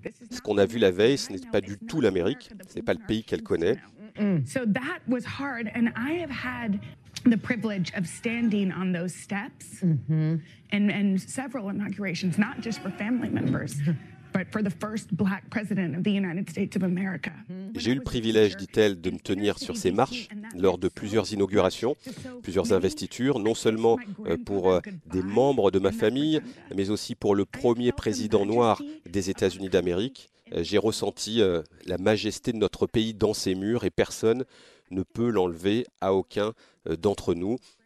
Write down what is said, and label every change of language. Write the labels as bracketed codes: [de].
[fr] Ce qu'on a vu la veille, ce n'est pas du tout l'Amérique, ce n'est pas le pays qu'elle connaît. [en] So that was hard and I have had the privilege of standing on those steps and several inaugurations, not just for family members, but for the first black president of the United States of America. [fr] J'ai eu le privilège, dit-elle, de me tenir sur ces marches lors de plusieurs inaugurations, plusieurs investitures, non seulement pour des membres de ma famille, mais aussi pour le premier président noir des États-Unis d'Amérique. J'ai ressenti la majesté de notre pays dans ses murs et personne ne peut l'enlever à aucun d'entre nous.